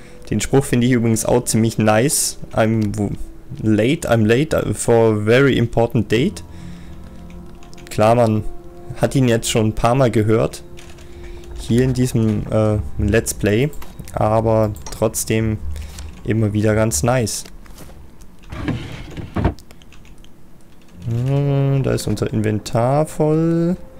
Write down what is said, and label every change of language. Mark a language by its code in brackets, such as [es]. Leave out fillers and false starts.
[de] Den Spruch finde ich übrigens auch ziemlich nice. [en] I'm late for a very important date. [de] Klar, man hat ihn jetzt schon ein paar Mal gehört. Hier in diesem Let's Play. Aber trotzdem immer wieder ganz nice. Da ist unser Inventar voll.